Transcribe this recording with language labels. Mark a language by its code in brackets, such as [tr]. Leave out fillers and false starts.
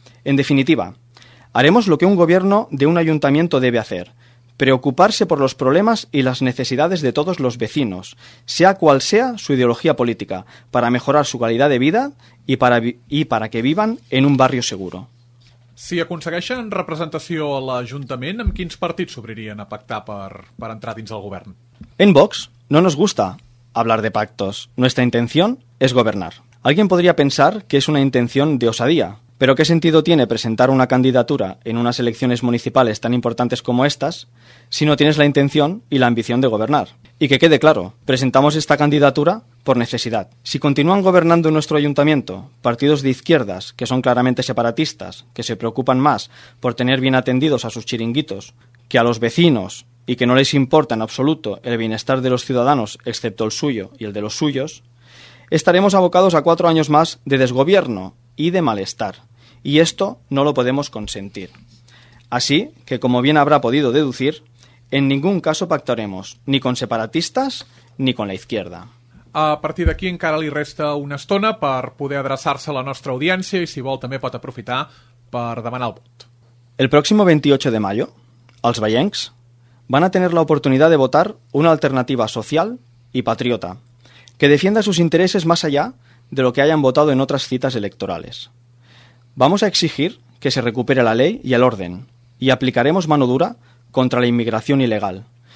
[es] En definitiva, haremos lo que un gobierno de un ayuntamiento debe hacer: preocuparse por los problemas y las necesidades de todos los vecinos, sea cual sea su ideología política, para mejorar su calidad de vida y para que vivan en un barrio seguro. [ca] Si aconsegueixen representació a l'Ajuntament, amb quins partits s'obririen a pactar per entrar dins el govern? [es] En Vox no nos gusta hablar de pactos. Nuestra intención es gobernar. Alguien podría pensar que es una intención de osadía, pero ¿qué sentido tiene presentar una candidatura en unas elecciones municipales tan importantes como estas si no tienes la intención y la ambición de gobernar? Y que quede claro, presentamos esta candidatura por necesidad. Si continúan gobernando en nuestro ayuntamiento partidos de izquierdas que son claramente separatistas, que se preocupan más por tener bien atendidos a sus chiringuitos que a los vecinos y que no les importa en absoluto el bienestar de los ciudadanos excepto el suyo y el de los suyos, estaremos abocados a 4 años más de desgobierno y de malestar, y esto no lo podemos consentir. Así que, como bien habrá podido deducir, en ningún caso pactaremos ni con separatistas ni con la izquierda. [ca] A partir d'aquí encara li resta una estona per poder adreçar-se a la nostra audiència i, si vol, també pot aprofitar per demanar el vot. [es] El próximo 28 de mayo, [ca] els vallencs [es] van a tener la oportunidad de votar una alternativa social y patriota que defienda sus intereses más allá de lo que hayan votado en otras citas electorales. Vamos a exigir que se recupere la ley y el orden, y aplicaremos mano dura contra la inmigración ilegal.